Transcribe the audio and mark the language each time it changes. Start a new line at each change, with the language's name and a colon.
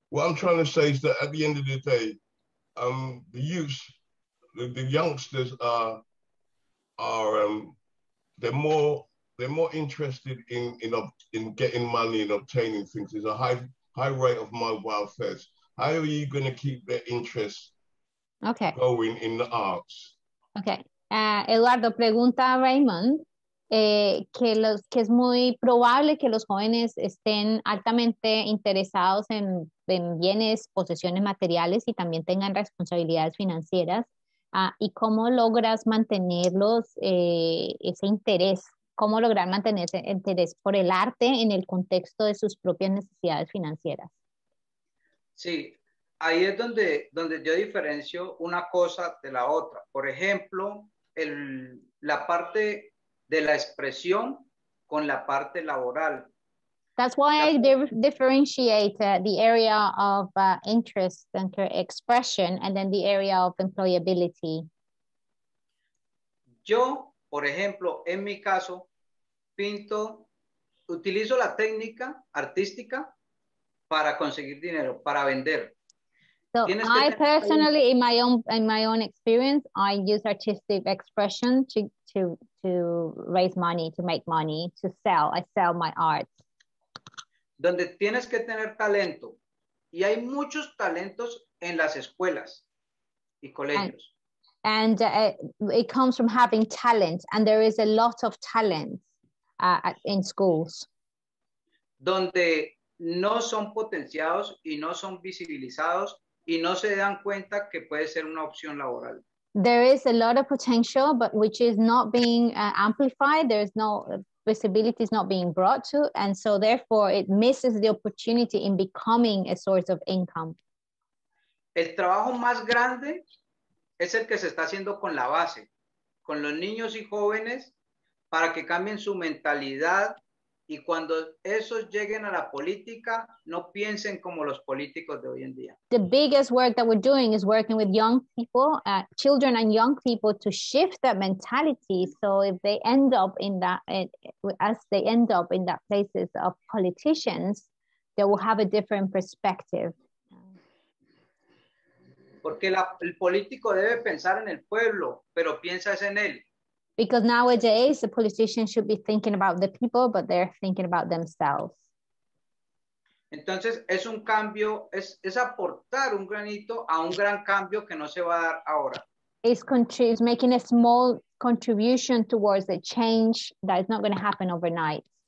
English: What I'm trying to say is that at the end of the day, the youth, the youngsters are more interested in getting money and obtaining things. There's a high rate of mobile thefts. How are you going to keep their interest going in the arts? Okay.
Spanish: Eduardo pregunta a Raymond que es muy probable que los jóvenes estén altamente interesados en bienes, posesiones materiales y también tengan responsabilidades financieras. ¿Y cómo logras mantenerlos ese interés? ¿Cómo lograr mantener ese interés por el arte en el contexto de sus propias necesidades financieras? Sí, ahí es donde yo diferencio una cosa de la otra. Por ejemplo, la parte de la expresión con la parte laboral.
English: That's why I differentiate the area of interest and expression and then the area of employability.
Spanish: Yo, por ejemplo, en mi caso, pinto, utilizo la técnica artística para conseguir dinero, para vender.
English: So I personally, in my own experience, I use artistic expression to raise money, to make money, to sell. I sell my art.
Spanish: Donde tienes que tener talento. Y hay muchos talentos en las escuelas y colegios.
English: And it comes from having talent. And there is a lot of talent in schools.
Spanish: Donde no son potenciados y no son visibilizados. Y no se dan cuenta que puede ser una opción laboral.
English: There is a lot of potential, but which is not being amplified. There is no visibility is not being brought to. And so therefore, it misses the opportunity in becoming a source of income.
Spanish: El trabajo más grande es el que se está haciendo con la base, con los niños y jóvenes, para que cambien su mentalidad. Y cuando esos lleguen a la política, no piensen como los políticos de hoy en día.
English: The biggest work that we're doing is working with young people, children and young people to shift that mentality. So if they end up in that places of politicians, they will have a different perspective.
Spanish: Porque el político debe pensar en el pueblo, pero piensa es en él.
English: Because nowadays, the politicians should be thinking about the people, but they're thinking about themselves.
Spanish: Entonces, es un cambio, es aportar un granito a un gran cambio que no se va a dar ahora.
English: It's making a small contribution towards a change that is not going to happen overnight.